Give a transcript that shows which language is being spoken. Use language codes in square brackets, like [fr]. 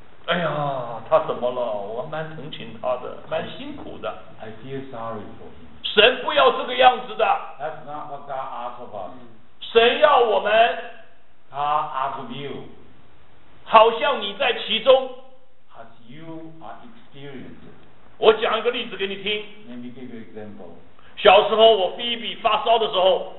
[zh] 哎呀他怎么了我蛮同情他的蛮辛苦的 [en] I feel sorry for him. [zh] 神不要这个样子的 [en] That's not what God asked of us. [zh] 神要我们 [en] God are out of you. [zh] 好像你在其中。 [en] As you are experiencing. [zh] 我讲一个例子给你听。 [en] Let me give you an example. [zh] 小时候我菲比发烧的时候。